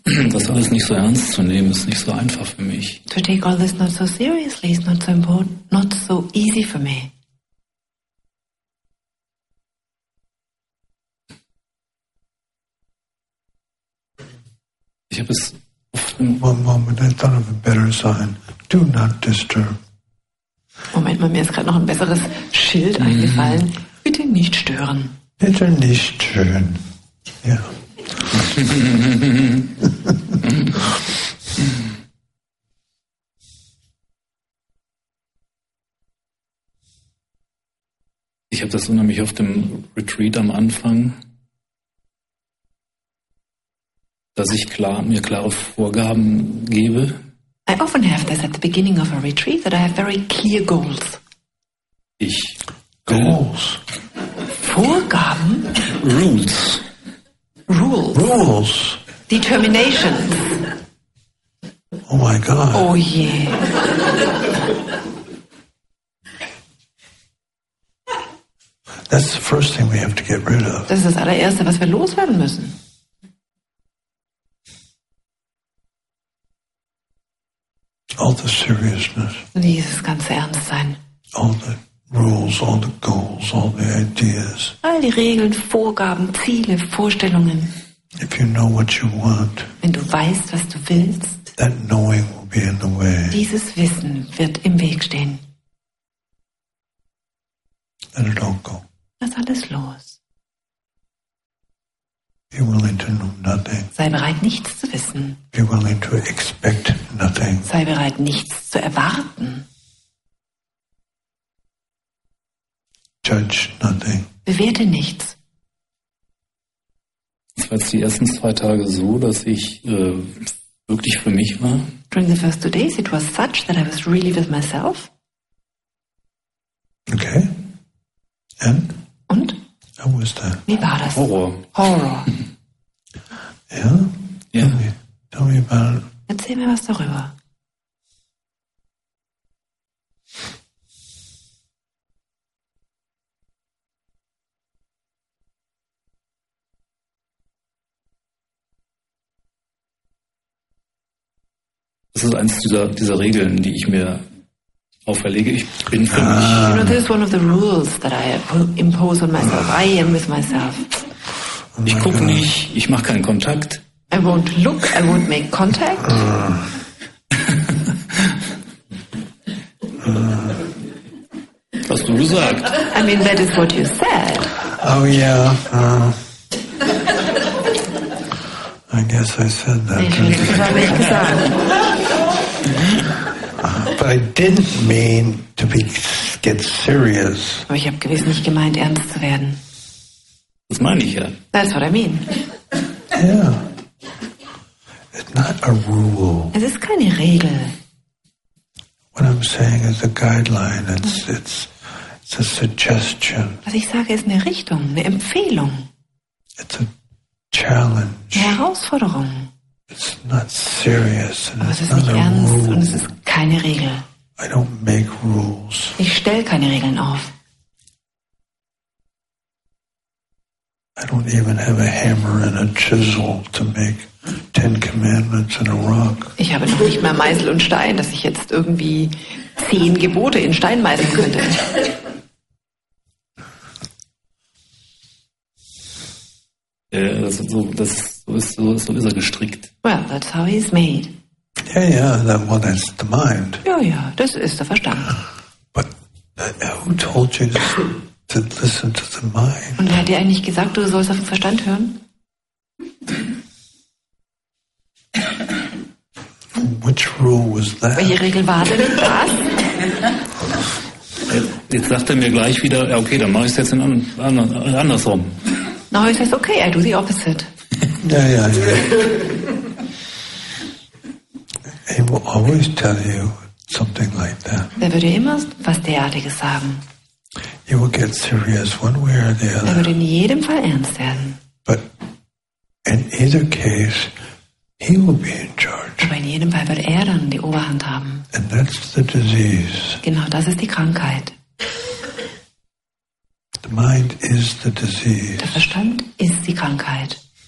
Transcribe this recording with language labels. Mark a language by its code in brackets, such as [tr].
[de] Das alles nicht so ernst zu nehmen, ist nicht so einfach für mich. [en] To take all this not so seriously is not so important, not so easy for me. [de] Ich habe es oft... [en] One moment, I thought of a better sign. Do not disturb. [de] Moment mal, mir ist gerade noch ein besseres Schild eingefallen. Bitte nicht stören. Bitte nicht stören. Ja. Ich habe das so nämlich auf dem Retreat am Anfang, dass ich mir klare Vorgaben gebe. [en] I often have this at the beginning of a retreat that I have very clear goals. [de] Ich [en] goals. [de] Vorgaben. [en] Rules. Rules. Rules. Determination. Oh my God. Oh yeah. That's the first thing we have to get rid of. [de] Das ist das allererste, was wir loswerden müssen. [en] All the seriousness. [de] Dieses ganze Ernst sein. [en] All the rules, all the goals, all the ideas. [de] All die Regeln, Vorgaben, Ziele, Vorstellungen. [en] If you know what you want. [de] Wenn du weißt, was du willst. [en] That knowing will be in the way. [de] Dieses Wissen wird im Weg stehen. [en] Let it all go. [de] Lass alles los. [en] Be willing to know nothing. [de] Sei bereit, nichts zu wissen. [en] Be willing to expect nothing. [de] Sei bereit, nichts zu erwarten. [en] Judge nothing. [de] Bewerte nichts. Es war jetzt die ersten zwei Tage so, dass ich wirklich für mich war. [en] During the first 2 days, it was such that I was really with myself. Okay. And? [de] Und? [en] How was that? [de] Wie war das? [en] Horror. [de] Horror. Ja? Ja. [en] Tell me about it. [de] Erzähl mir was darüber. Das ist eines dieser Regeln, die ich mir auferlege. Ich bin für mich. [en] You know, this is one of the rules that I impose on myself. I am with myself. [de] Oh, ich gucke nicht, ich mache keinen Kontakt. [en] I won't look, I won't make contact. [de] Was du gesagt. [en] I mean, that is what you said. Oh yeah. I guess I said that. [de] Ich habe es gesagt. [en] But I didn't mean to be get serious. [de] Aber ich habe gewiss nicht gemeint, ernst zu werden. Das meine ich ja. [en] That's what I mean. Yeah. It's not a rule. [de] Es ist keine Regel. [en] What I'm saying is a guideline. It's a suggestion. [de] Was ich sage, ist eine Richtung, eine Empfehlung. [en] It's a challenge. [de] Eine Herausforderung. [en] It's not serious. [de] And aber es ist nicht ernst und es ist keine Regel. [en] I don't make rules. [de] Ich stelle keine Regeln auf. [en] I don't even have a hammer and a chisel to make 10 commandments in a rock. [de] Ich habe noch nicht mehr Meißel und Stein, dass ich jetzt irgendwie 10 Gebote in Stein meißeln könnte. Ja, so ist er gestrickt. [en] Well, that's how he's made. Yeah, yeah, that's the mind. [de] Ja, ja, das ist der Verstand. [en] But who told you to listen to the mind? [de] Und wer hat dir eigentlich gesagt, du sollst auf den Verstand hören? [en] Which rule was that? [de] Welche Regel war denn das? Jetzt sagt er mir gleich wieder, ja okay, dann mache ich es jetzt andersrum. [en] Now he says, okay, I do the opposite. Yeah, yeah, yeah. He will always tell you something like that. [de] Er würde immer was derartiges sagen. [en] He will get serious one way or the other. [de] Er würde in jedem Fall ernst werden. [en] But in either case, he will be in charge. [de] Aber in jedem Fall wird dann die Oberhand haben. [en] And that's the disease. [de] Genau, das ist die Krankheit. [en] The mind is the disease. [de] Der Verstand ist die Krankheit.